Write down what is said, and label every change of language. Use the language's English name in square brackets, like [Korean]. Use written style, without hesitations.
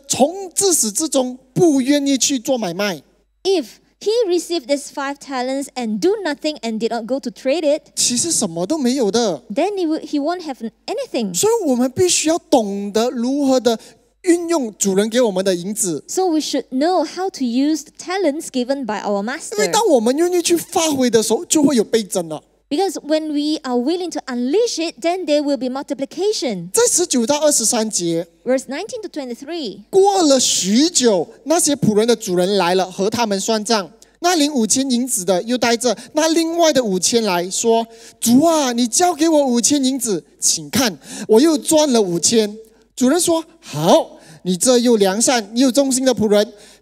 [Chinese] 但是如果那个主那个领5000的从自始至终不愿意去做买卖， [English] if he received this 5 talents and do nothing and did not go to trade it, [Chinese] 其实什么都没有的， [English] then he won't have anything. [Chinese] 所以我们必须要懂得如何的 运用主人给我们的银子。 [English] So we should know how to use the talents given by our master. [Chinese] 因为当我们愿意去发挥的时候，就会有倍增了。 [English] Because when we are willing to unleash it, then there will be multiplication. [Chinese] 在19到23节， [English] Verse 19 to 23. [Chinese] 过了许久，那些仆人的主人来了，和他们算账。那领5000银子的又带着那另外的5000来说：“主啊，你交给我5000银子，请看，我又赚了5000。”主人说：“好，你这又良善又忠心的仆人。”